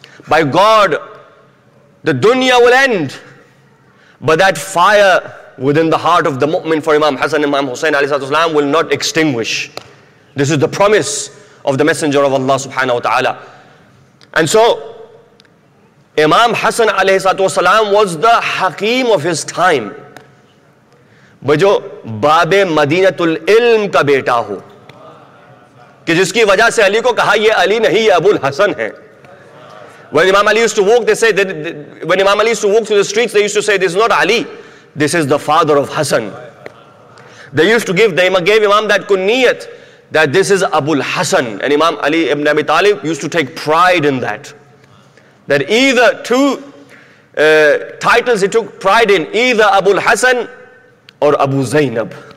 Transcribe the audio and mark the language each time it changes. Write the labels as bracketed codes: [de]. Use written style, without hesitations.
[en] By God, the dunya will end, but that fire within the heart of the mu'min for Imam Hassan and Imam Hussein alayhi salatu wasalam will not extinguish. This is the promise of the Messenger of Allah subhanahu wa ta'ala. And so, Imam Hassan alayhi salatu wasalam was the hakim of his time. [ur] But jo Babe Madinatul Ilm ka beta ho, کہ جس کی وجہ سے علی کو کہا یہ علی نہیں یہ ابو الحسن ہے. [en] When Imam Ali used to walk, they say, when Imam Ali used to walk through the streets, they used to say, this is not Ali, this is the father of Hassan. They used to give, they gave Imam that kunniyat, that this is Abu al-Hassan. And Imam Ali ibn Abi Talib used to take pride in that. That either two titles he took pride in, either Abu al-Hassan or Abu Zainab.